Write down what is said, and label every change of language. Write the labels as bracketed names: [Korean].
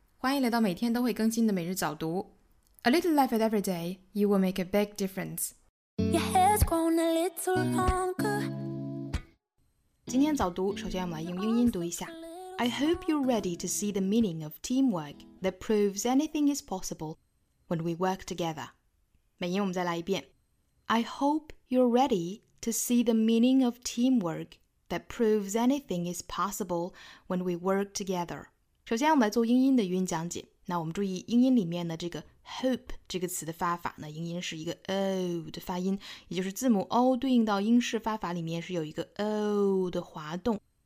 [Chinese] 欢迎来到每天都会更新的每日早读。 [English] A little life at every day, you will make a big difference. Your hair's grown a little longer. [Chinese] 今天早读，首先我们来用英音读一下。 [English] I hope you're ready to see the meaning of teamwork that proves anything is possible when we work together. [Chinese] 美音我们再来一遍。 [English] I hope you're ready to see the meaning of teamwork. That proves anything is possible when we work together. [Chinese] 首先我们来做英音的语音讲解。那我们注意英音里面的这个 hope 这个词的发法呢，英音是一个 O 的发音，也就是字母 O 对应到英式发法里面是有一个 O 的滑动。